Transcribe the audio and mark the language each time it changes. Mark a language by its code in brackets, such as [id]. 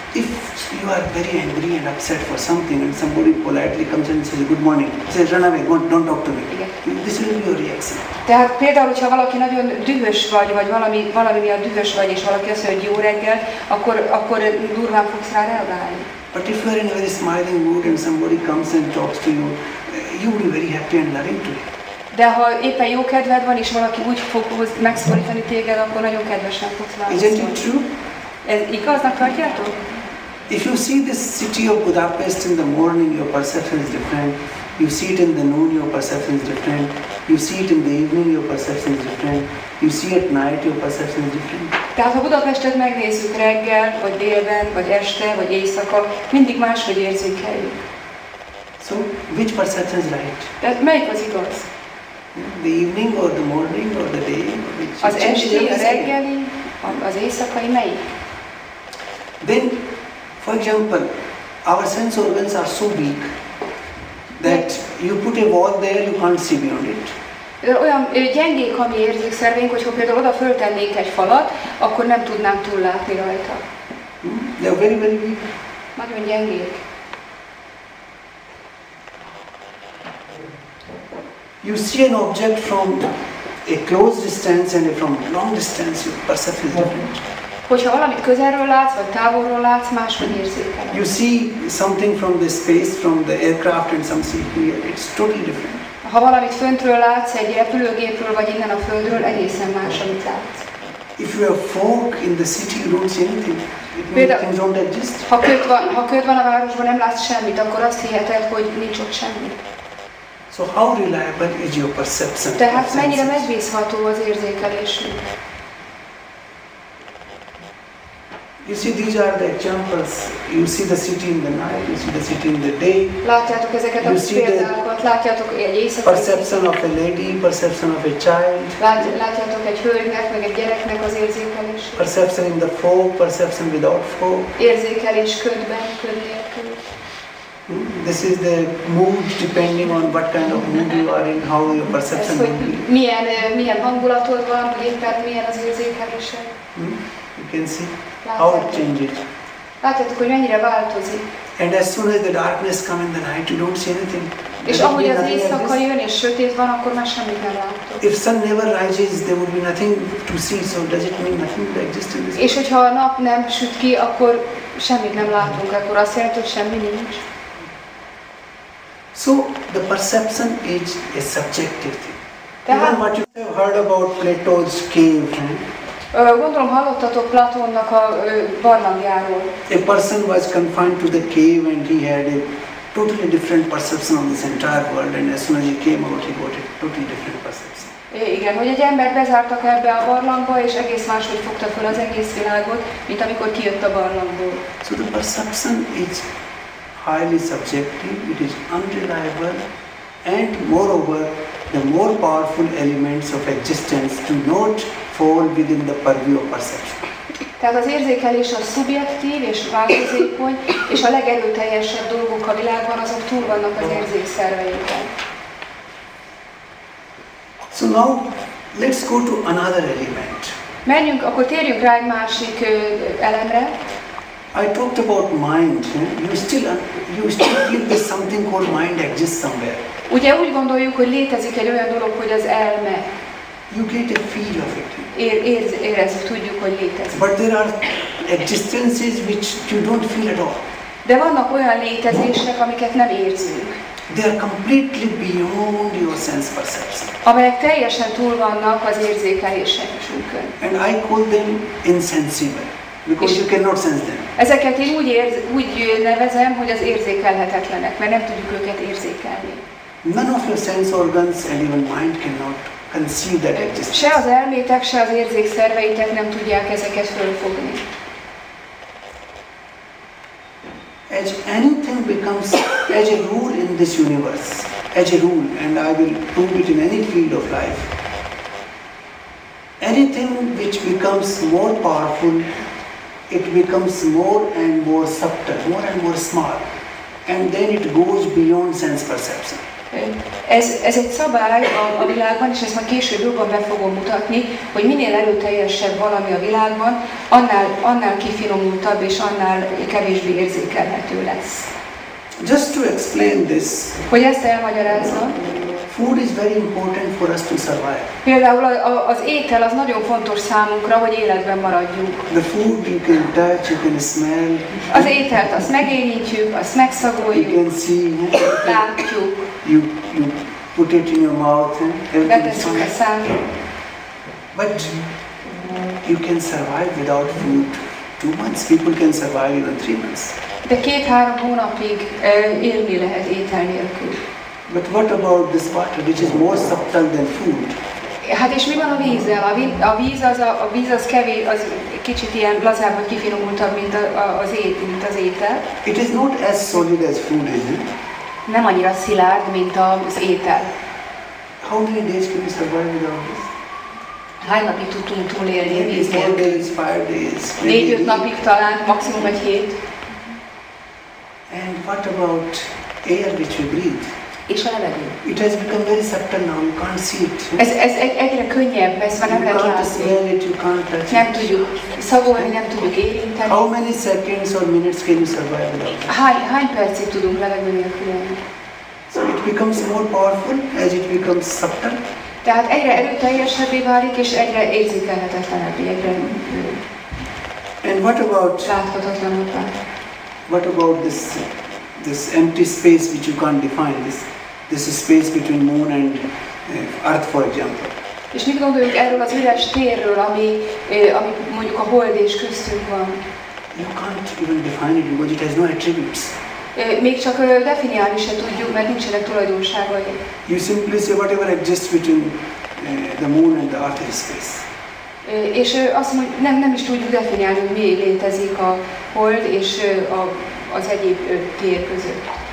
[en] If you are very angry and upset for something and somebody politely comes and says good morning, says run away, don't talk to me. [hu] Igen. [en] This will be your reaction. [hu] Tehát például, hogyha valaki nagyon dühös vagy valami miatt dühös vagy, és valaki azt mondja, hogy jó reggel, akkor durván fogsz rá reagálni. [en] But if you are in a very smiling mood and somebody comes and talks to you, you will be very happy and loving to him. [hu] De ha éppen jó kedved van, és valaki úgy fog megszólítani téged, akkor nagyon kedvesen fogsz válaszolni. [en] Isn't it true? [hu] Ez igaznak tartjátok? [en] If you see this city of Budapest in the morning, your perception is different. You see it in the noon, your perception is different. You see it in the evening, your perception is different. You see at night, your perception is different. [hu] Tehát ha Budapestet megnézzük reggel, vagy délben, vagy este, vagy éjszaka, mindig máshogy érzékeljük. [en] So, which perception is right? [hu] Tehát melyik az igaz? [en] The evening, or the morning, or the day? [hu] Az esti, a reggeli, az éjszakai, melyik? [en] Then, for example, our sense organs are so weak that you put a wall there, you can't see beyond it. [hu] Olyan gyengék a mi érzékszerveink, hogyha például oda föltennék egy falat, akkor nem tudnám túllátni rajta. [en] They are very, very weak. [hu] Nagyon gyengék. [en] You see an object from a close distance and from long distance your perception is different. [hu] Hogyha valamit közelről látsz, vagy távolról látsz, máshogy érzékeled. [en] You see something from the space, from the aircraft and some see here, it's totally different. [hu] Ha valamit föntről látsz, egy repülőgépről, vagy innen a földről, egészen más, amit látsz. [en] If you have fog in the city, you don't see anything. Things don't exist. [hu] Ha köd van a városban, nem látsz semmit, akkor azt hiheted, hogy nincs ott semmi. [en] So how reliable is your perception? [hu] Tehát mennyire megbízható az érzékelésünk? [en] You see, these are the examples. You see the city in the night. You see the city in the day. [hu] Látjátok ezeket a példákat. Látjátok egy éjszakai. [en] Perception of a lady. Perception of a child. [hu] Látjátok egy hölgynek meg egy gyereknek az érzékelését. [en] Perception in the fog. Perception without fog. [hu] Érzékelés ködben, köd nélkül. [en] This is the mood depending on what kind of mood you are in, how your perception will be. [hu] Milyen hangulatod van, vagy éppen milyen az érzékelése? [en] You can see. How it changes. [hu] Látjátok, hogy mennyire változik. [en] And as soon as the darkness comes in the night, you don't see anything. [hu] És ahogy az éjszaka jön és sötét van, akkor már semmit nem látok. [en] If sun never rises, there would be nothing to see. So does it mean nothing to exist in this world? [hu] És hogyha a nap nem süt ki, akkor semmit nem látunk. Akkor azt jelenti, hogy semmi nincs. [en] So the perception is a subjective thing. Even what you have heard about Plato's cave. [hu] Gondolom hallottatok Platónnak a barlangjáról. [en] A person was confined to the cave and he had a totally different perception of this entire world and as soon as he came out he got a totally different perception. [hu] Igen, hogy egy ember bezártak ebbe a barlangba és egész máshogy fogta fel az egész világot, mint amikor kijött a barlangból. [en] So the perception is highly subjective, it is unreliable and moreover the more powerful elements of existence do not fall within the purview of perception. [hu] Tehát az érzékelés a szubjektív és változékony, és a legerőteljesebb dolgok a világban, azok túl vannak az érzékszerveinkben. [en] So now, let's go to another element. [hu] Menjünk, akkor térjünk rá egy másik elemre. [en] I talked about mind. You still feel there's something called mind exists somewhere. [hu] Ugye úgy gondoljuk, hogy létezik egy olyan dolog, hogy az elme. [en] You get a feel of it. [hu] Érezzük, tudjuk, hogy létezik. [en] But there are existences which you don't feel at all. [hu] De vannak olyan létezések, amiket nem érzünk. [en] They are completely beyond your sense perception. [hu] Amelyek teljesen túl vannak az érzékelésünkön. [en] And I call them insensible. Because you cannot sense them. [hu] Ezeket én úgy nevezem, hogy az érzékelhetetlenek, mert nem tudjuk őket érzékelni. [en] None of your sense organs and even mind cannot conceive that existence. [hu] Se az elmétek, se az érzékszerveitek nem tudják ezeket fölfogni. [en] As anything becomes as a rule in this universe, as a rule, and I will prove it in any field of life, anything which becomes more powerful, it becomes more and more subtle, more and more small, and then it goes beyond sense perception. [hu] Ez egy szabály a világban, és ezt már később jobban be fogom mutatni, hogy minél erőteljesebb valami a világban, annál kifinomultabb és annál kevésbé érzékelhető lesz. [en] Just to explain this. [hu] Hogy ezt elmagyarázzam. [en] Food is very important for us to survive. [hu] Például az étel az nagyon fontos számunkra, hogy életben maradjunk. [en] The food you can touch, you can smell. [hu] Az ételt azt megérintjük, azt megszagoljuk. [en] You can see. [hu] Látjuk. [en] You put it in your mouth. [hu] Beteszünk a szánkon. [en] But you can survive without food. 2 months people can survive even 3 months. [hu] De 2-3 hónapig élni lehet étel nélkül. [en] But what about this water, which is more subtle than food? [hu] Hát és mi van a vízzel? A víz az kevés, az kicsit ilyen lazább, vagy kifinomultabb, mint az étel. [en] It is not as solid as food, is it? [hu] Nem annyira szilárd, mint az étel. [en] How many days can you survive without this? [hu] Hány napig tudtunk túlélni a vízzel? [en] 4 days, 5 days. [hu] 4-5 napig talán, maximum egy hét. [en] And what about air which you breathe? [hu] És a levegő. [en] It has become very subtle now. You can't see it. [hu] Ez egyre könnyebb, ez már nem lehet látni. [en] You can't smell it, you can't touch it. [hu] Nem tudjuk szagolni, nem tudjuk érinteni. [en] How many seconds or minutes can you survive without it? [hu] Hány percig tudunk levegő nélkül élni? [en] So it becomes more powerful as it becomes subtle. [hu] Tehát egyre erőteljesebbé válik, és egyre érzékelhetetlenebbé, egyre [en] And what about this empty space which you can't define, this space between moon and earth, for example? [hu] És mit gondoljuk erről az üres térről, ami mondjuk a hold és köztünk van? [en] You can't even define it because it has no attributes. [hu] Még csak definiálni se tudjuk, mert nincsenek tulajdonságai. [en] You simply say whatever exists between the moon and the earth is space. [hu] És azt mondjuk, nem is tudjuk definiálni, hogy mi létezik a hold és az egyéb tér között.